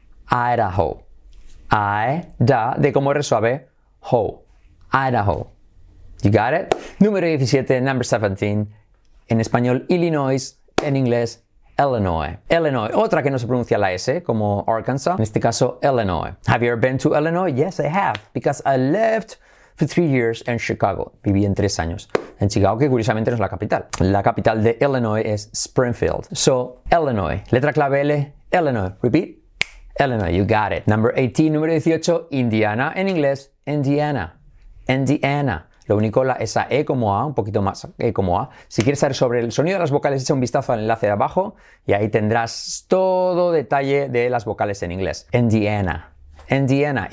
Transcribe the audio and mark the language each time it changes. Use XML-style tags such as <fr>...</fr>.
<es>Idaho. I, da, de como R suave, ho, Idaho.</es> <en>You got it?</en> <es>Número 17,</es> <en>number 17.</en> <es>En español, Illinois. En inglés, Illinois. Illinois. Otra que no se pronuncia la S, como Arkansas. En este caso, Illinois.</es> <en>Have you ever been to Illinois? Yes, I have. Because I lived for 3 years in Chicago.</en> <es>Viví en 3 años en Chicago, que curiosamente no es la capital. La capital de Illinois es Springfield. So, Illinois. Letra clave L, Illinois.</es> <en>Repeat.</en> <es>Illinois,</es> <en>you got it. Number 18,</en> <es>número 18, Indiana. En inglés, Indiana. Indiana. Lo único, la, esa E como A, un poquito más E como A. Si quieres saber sobre el sonido de las vocales, echa un vistazo al enlace de abajo y ahí tendrás todo detalle de las vocales en inglés. Indiana. Indiana.</es>